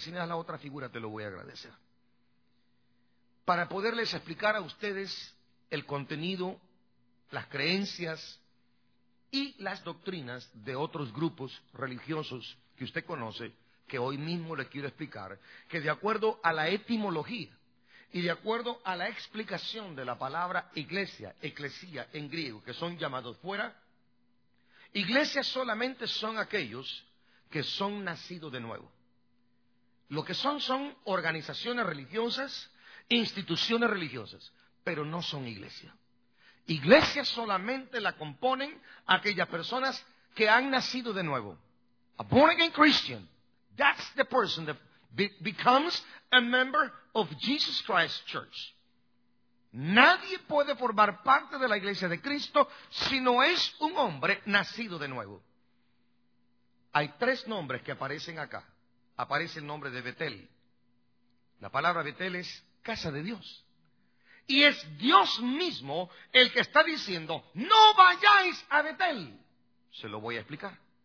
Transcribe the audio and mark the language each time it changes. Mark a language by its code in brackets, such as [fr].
[es] Si me das la otra figura te lo voy a agradecer. Para poderles explicar a ustedes el contenido, las creencias y las doctrinas de otros grupos religiosos que usted conoce, que hoy mismo les quiero explicar, que de acuerdo a la etimología y de acuerdo a la explicación de la palabra iglesia, eclesía en griego, que son llamados fuera, iglesias solamente son aquellos que son nacidos de nuevo. Lo que son organizaciones religiosas, instituciones religiosas, pero no son iglesia. Iglesia solamente la componen aquellas personas que han nacido de nuevo. [en] A born again Christian, that's the person that becomes a member of Jesus Christ Church. [es] Nadie puede formar parte de la iglesia de Cristo si no es un hombre nacido de nuevo. Hay tres nombres que aparecen acá. Aparece el nombre de Betel. La palabra Betel es casa de Dios. Y es Dios mismo el que está diciendo, no vayáis a Betel. Se lo voy a explicar.